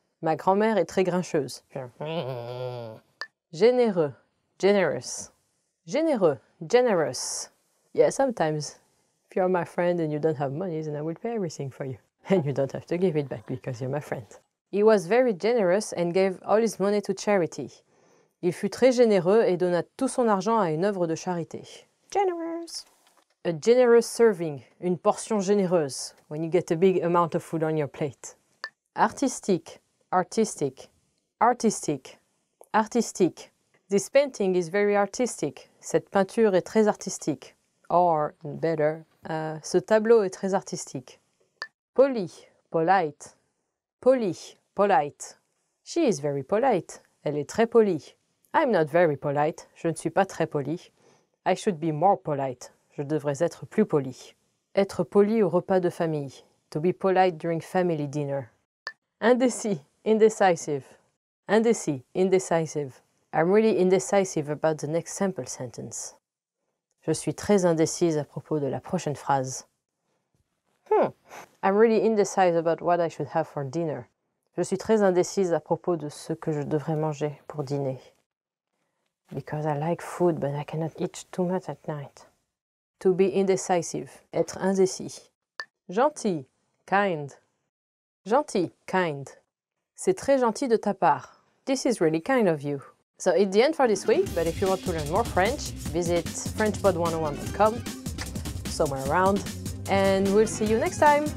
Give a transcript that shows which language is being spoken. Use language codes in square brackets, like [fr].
[fr] Ma grand-mère est très grincheuse. Généreux. [en] Generous. [fr] Généreux. [en] Generous. Yeah, sometimes. If you're my friend and you don't have money, then I will pay everything for you. And you don't have to give it back because you're my friend. He was very generous and gave all his money to charity. [fr] Il fut très généreux et donna tout son argent à une œuvre de charité. [en] Generous. A generous serving, [fr] une portion généreuse, [en] when you get a big amount of food on your plate. [fr] Artistique, [en] artistic, artistic, artistic. This painting is very artistic. Cette peinture est très artistique. Or, better, [fr] ce tableau est très artistique. Poli, polite. Poli, polite. [en] She is very polite. [fr] Elle est très polie. [en] I'm not very polite. [fr] Je ne suis pas très polie. [en] I should be more polite. [fr] Je devrais être plus poli. Être poli au repas de famille. [en] To be polite during family dinner. [fr] Indécis. Indecisive. Indécis. Indecisive. [en] I'm really indecisive about the next sample sentence. [fr] Je suis très indécise à propos de la prochaine phrase. [en] I'm really indecisive about what I should have for dinner. [fr] Je suis très indécise à propos de ce que je devrais manger pour dîner. [en] Because I like food, but I cannot eat too much at night. To be indecisive, [fr] être indécis. Gentil, kind. Gentil, kind. C'est très gentil de ta part. [en] This is really kind of you. So it's the end for this week, but if you want to learn more French, visit frenchpod101.com, somewhere around, and we'll see you next time.